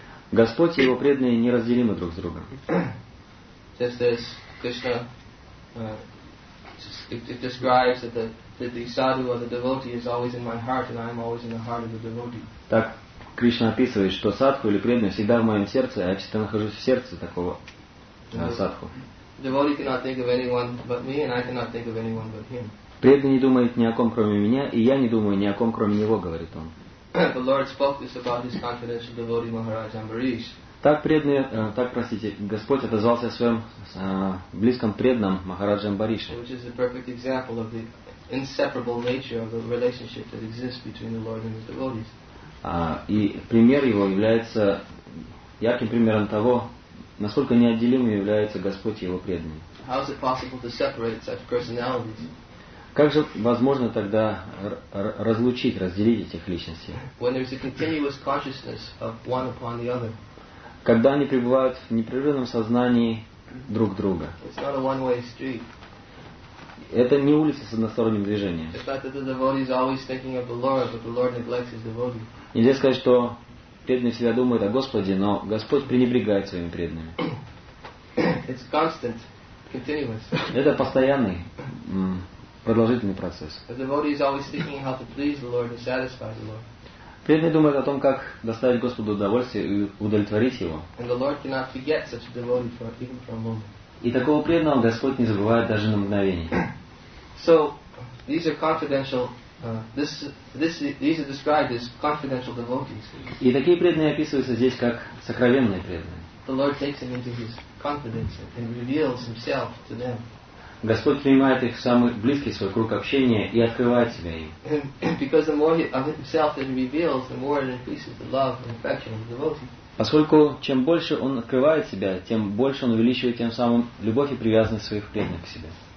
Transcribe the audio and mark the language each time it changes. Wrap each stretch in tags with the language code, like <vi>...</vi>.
<ru>Господь и Его преданные неразделимы друг с другом.</ru> <en>Just as Krishna it describes that the sadhu or the devotee is always in my heart and I am always in the heart of the devotee.</en> <ru>Так Кришна описывает, что садху или преданный всегда в моем сердце, а я всегда нахожусь в сердце такого садху.</ru> <en>Devotee cannot think of anyone but me and I cannot think of anyone but him.</en> <ru>Преданный не думает ни о ком, кроме меня, и я не думаю ни о ком, кроме него, говорит он.</ru> <en>The Lord spoke this about his confidential devotee Maharaj Ambarish.</en> <ru>Господь отозвался о своем близком преданном Махарадже Амбарише.</ru> <en>Which is a perfect example of the inseparable nature of the relationship that exists between the Lord and his devotees.</en> <ru>И пример его является ярким примером того, насколько неотделимы являются Господь и его преданные.</ru> <en>How is it possible to separate such personalities?</en> <ru>Как же возможно тогда разделить этих личностей?</ru> <en>When there is a continuous consciousness of one upon the other.</en> <ru>когда они пребывают в непрерывном сознании друг друга.</ru> <en>It's not a one-way street.</en> <ru>Это не улица с односторонним движением.</ru> <en>It's not that the devotee is always thinking of the Lord, but the Lord neglects his devotee.</en> <ru>Нельзя сказать, что преданный всегда думает о Господе, но Господь пренебрегает своими преданными.</ru> <en>It's constant, continuous.</en> <ru>Это постоянный, продолжительный процесс.</ru> <en>The devotee is always thinking how to please the Lord and satisfy the Lord.</en> <ru>Преданный думает о том, как доставить Господу удовольствие и удовлетворить его.</ru> <en>And the Lord cannot forget such a devotee for even for a moment.</en> <ru>И такого преданного Господь не забывает даже на мгновение.</ru> <en>So these are confidential. These are described as confidential devotees.</en> <ru>И такие преданные описываются здесь как сокровенные преданные.</ru> <en>The Lord takes them into His confidence and reveals Himself to them.</en> <ru>Господь принимает их в самый близкий свой круг общения и открывает себя им.</ru> <en>Because the more of Himself that He reveals, the more it increases the love and affection of the devotee.</en> <ru>Поскольку чем больше Он открывает себя, тем больше Он увеличивает тем самым любовь и привязанность своих преданных к себе.</ru>